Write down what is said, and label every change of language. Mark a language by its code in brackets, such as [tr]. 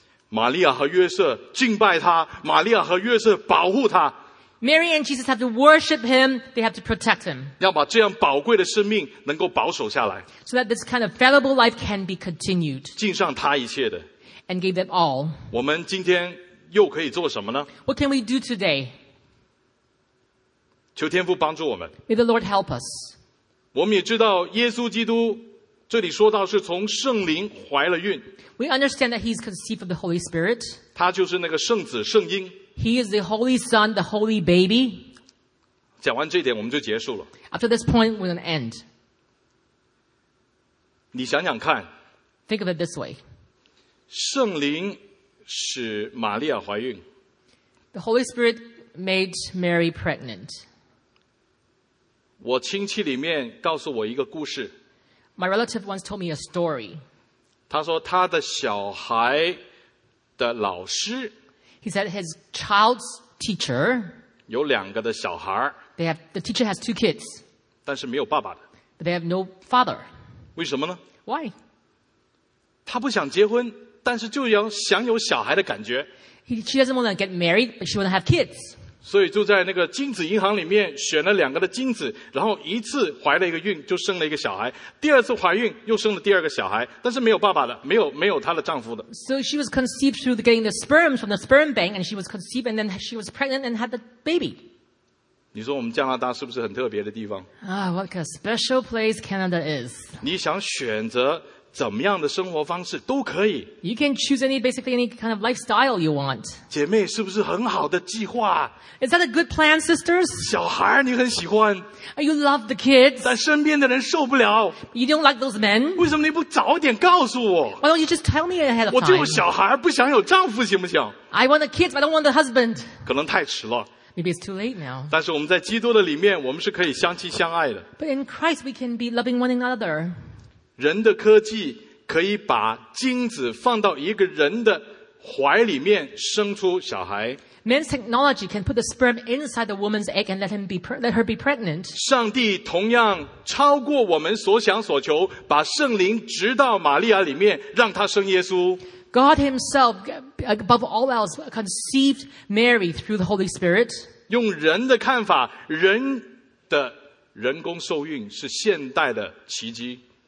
[zh] 玛利亚和约瑟敬拜他，玛利亚和约瑟保护他。 [en] Mary and Jesus have to worship him. They have to protect him. [zh] 要把这样宝贵的生命能够保守下来。 [en] So that this kind of valuable life can be continued. [zh] 敬上他一切的。 [en] And gave them all. [zh] 我们今天又可以做什么呢？ [en] What can we do today? [zh] 求天父帮助我们。 [en] May the Lord help us. [zh] 我们也知道耶稣基督这里说到是从圣灵怀了孕。 [en] We understand that he's conceived of the Holy Spirit. [zh] 他就是那个圣子圣婴。 [en] He is the Holy Son, the Holy Baby. [zh] 讲完这点我们就结束了。 [en] After this point, we're going to end. [zh] 你想想看。 [en] Think of it this way. [zh] 圣灵使玛利亚怀孕。 [en] The Holy Spirit made Mary pregnant. [zh] 我亲戚里面告诉我一个故事。 [en] My relative once told me a story. [zh] 他说他的小孩的老师。 [en] He said his child's teacher. [zh] 有两个的小孩。 [en] The teacher has two kids. [zh] 但是没有爸爸的。 [en] But they have no father. [zh] 为什么呢 [en] ？Why? [zh] 他不想结婚，但是就要想有小孩的感觉。 [en] She doesn't want to get married, but she wants to have kids. [zh] 所以就在那个精子银行里面选了两个的精子，然后一次怀了一个孕，就生了一个小孩。第二次怀孕又生了第二个小孩，但是没有爸爸的，没有她的丈夫的。 [en] So she was conceived through getting the sperm from the sperm bank, and she was conceived, and then she was pregnant and had the baby. [zh] 你说我们加拿大是不是很特别的地方？ [en] What a special place Canada is. [zh] 你想选择怎么样的生活方式都可以。 [en] You can choose basically any kind of lifestyle you want. [zh] 姐妹是不是很好的计划？ [en] Is that a good plan, sisters? [zh] 小孩你很喜欢。 [en] You love the kids. [zh] 但身边的人受不了。 [en] You don't like those men. [zh] 为什么你不早点告诉我？ [en] Why don't you just tell me ahead of time? [zh] 我就小孩不想有丈夫行不行？ [en] I want the kids, but I don't want the husband. [zh] 可能太迟了。 [en] Maybe it's too late now. [zh] 但是我们在基督的里面，我们是可以相亲相爱的。 [en] But in Christ, we can be loving one another. [zh] 人的科技可以把精子放到一个人的怀里面生出小孩。 [en] Man's technology can put the sperm inside the woman's egg and let her be pregnant. [zh] 上帝同样超过我们所想所求，把圣灵植到玛利亚里面，让她生耶稣。 [en] God himself, above all else, conceived Mary through the Holy Spirit. [zh] 用人的看法，人的人工受孕是现代的奇迹。